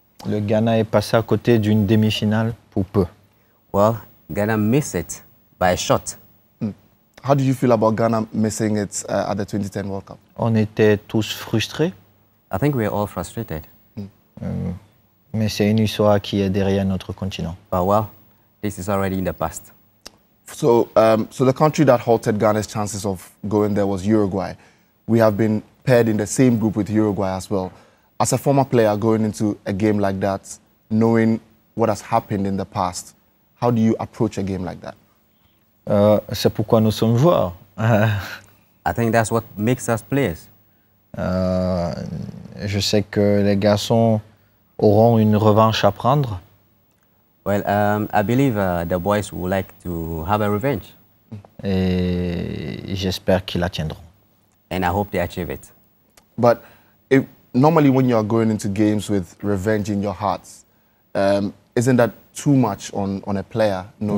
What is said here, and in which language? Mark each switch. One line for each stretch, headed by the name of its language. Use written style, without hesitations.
French: Le Ghana est passé à côté d'une demi-finale pour peu.
English: Well, Ghana missed it by a shot. Mm. How do you feel about Ghana missing it at the 2010 World Cup?
French: On était tous frustrés.
English: I think we're all frustrated.
French: Mais c'est une histoire qui est derrière notre continent.
English: But well, this is already in the past. So, so the country that halted Ghana's chances of going there was Uruguay. We have been paired in the same group with Uruguay as well. As a former player going into a game like that, knowing what has happened in the past, how do you approach a game like that?
French: C'est pourquoi nous sommes joueurs.
English: I think that's what makes us players.
French: Je sais que les garçons auront une revanche à prendre.
English: Well, I believe the boys would like to have a revenge.
French: Et j'espère qu'ils la tiendront.
English: And I hope they achieve it. But if, normally when you are going into games with revenge in your heart, isn't that too much on a player knowing